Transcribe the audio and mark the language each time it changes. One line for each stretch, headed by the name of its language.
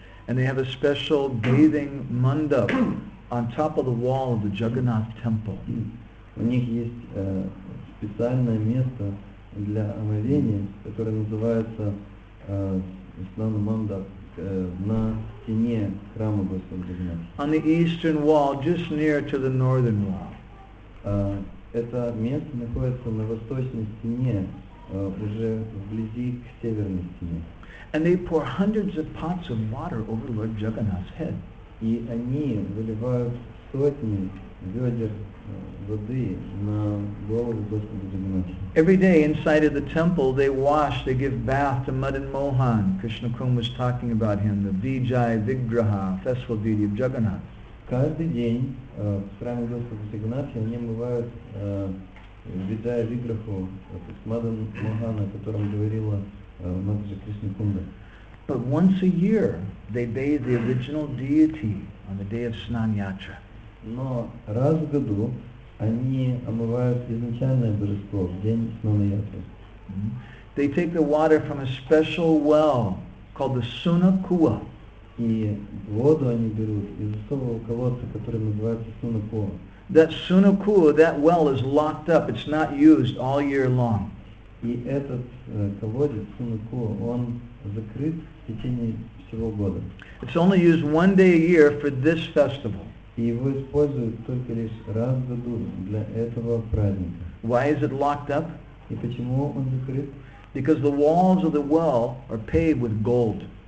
English: And they have a special bathing mandap on top of the wall of the Jagannath temple.
Russian: У них есть специальное место для омовения, которое называется Снана Мандап, на стене храма Господа Джаганнатха.
English: On the eastern wall, just near to the northern wall.
Russian: Это место находится на восточной стене, уже вблизи к северной стене.
English: And they pour hundreds of pots of water over Lord Jagannath's head.
Russian: И они выливают сотни ведер воды на голову Господа Джаганнатха.
English: Every day inside of the temple they wash, they give bath to Madan Mohan. Krishna Kumar was talking about him, the Vijay Vigraha, festival deity of Jagannath.
Russian: Каждый день в храме Господа Джаганнатха они омывают Vijay Vigraha, то есть Madan Mohan, о котором говорила Матаджи Кришна Кунда.
English: But once a year they bathe the original deity on the day of Snan Yatra.
Russian: Но раз в году они омывают изначальное божество в день Снан Ятры.
English: They take the water from a special well called the Suna Kua.
Russian: И воду они берут из особого колодца, который называется Suna Kua.
English: That Suna Kua, that well is locked up. It's not used all year long.
Russian: И этот колодец Suna Kua, он закрыт в течение всего года.
English: It's only used one day a year for this festival.
Russian: И его используют только лишь раз в году для этого праздника.
English: Why is it locked up?
Russian: И почему он закрыт?
English: Because the walls of the well are paved with gold.